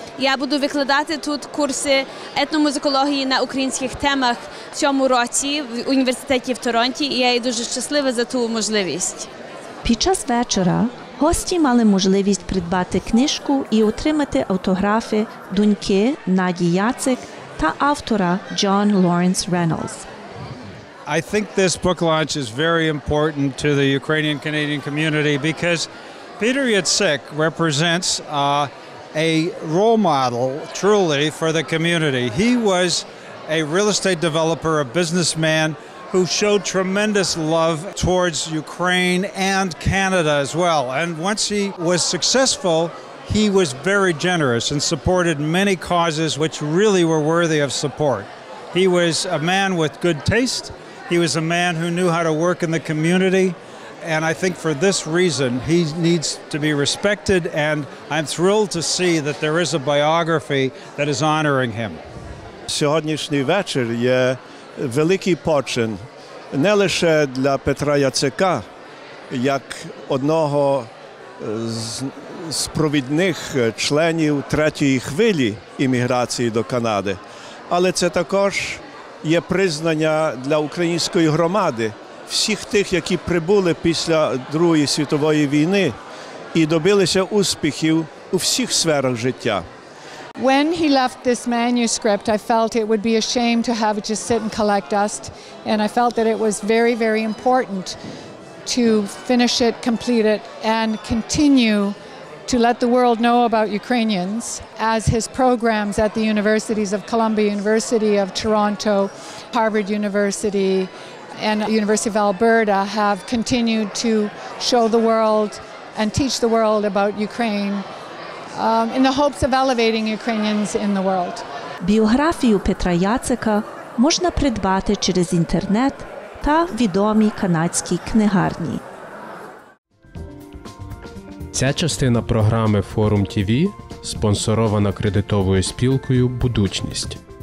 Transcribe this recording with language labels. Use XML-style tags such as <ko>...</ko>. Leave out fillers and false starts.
<uk>Я буду викладати тут курси етномузикології на українських темах в цьому році в університеті в Торонті, і я дуже щаслива за ту можливість. Під час вечора гості мали можливість придбати книжку і отримати автографи доньки Наді Яцик та автора Джон Лоренс Рейнольдс.</uk> <en>I think this book launch is very important to the Ukrainian-Canadian community because Peter Yatsik represents a role model, truly, for the community. He was a real estate developer, a businessman, who showed tremendous love towards Ukraine and Canada as well. And once he was successful, he was very generous and supported many causes which really were worthy of support. He was a man with good taste. He was a man who knew how to work in the community, and I think for this reason he needs to be respected, and I'm thrilled to see that there is a biography that is honoring him.</en> <uk>Сьогоднішній вечір є великий почин не лише для Петра Яцика як одного з провідних членів третьої хвилі імміграції до Канади, але це також є признання для української громади, всіх тих, які прибули після Другої світової війни і добилися успіхів у всіх сферах життя.</uk> <en>When he left this manuscript, I felt it would be a shame to have it just sit and collect dust, and I felt that it was very, very important to finish it, complete it, and continue to let the world know about Ukrainians as his programs at the universities of Columbia University of Toronto, Harvard University, and University of Alberta have continued to show the world and teach the world about Ukraine in the hopes of elevating Ukrainians in the world.</en> <uk>Біографію Петра Яцика можна придбати через інтернет та відомі канадські книгарні. Ця частина програми «Форум ТІВ» спонсорована кредитовою спілкою «Будучність».</uk>